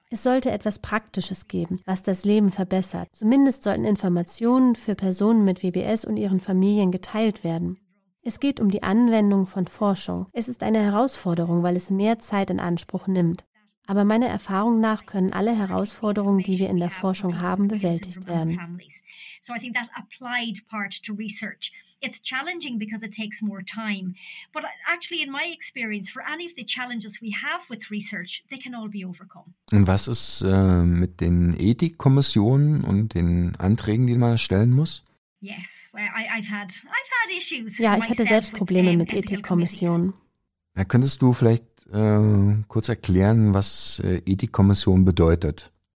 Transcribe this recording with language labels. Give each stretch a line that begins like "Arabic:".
German: Es sollte etwas Praktisches geben, was das Leben verbessert. Zumindest sollten Informationen für Personen mit WBS und ihren Familien geteilt werden. Es geht um die Anwendung von Forschung. Es ist eine Herausforderung, weil es mehr Zeit in Anspruch nimmt. Aber meiner Erfahrung nach können alle Herausforderungen, die wir in der Forschung haben, bewältigt werden.
English: So I think that applied part to research. It's challenging because it takes more time. But actually in my experience, for any of the challenges we have with research, they can all be overcome.
German: Und was ist mit den Ethikkommissionen und den Anträgen, die man stellen muss?
English: Yes, I've had issues.
German: Ja, ich hatte selbst Probleme mit Ethikkommissionen. Ja, könntest du vielleicht kurz erklären, was Ethikkommission bedeutet?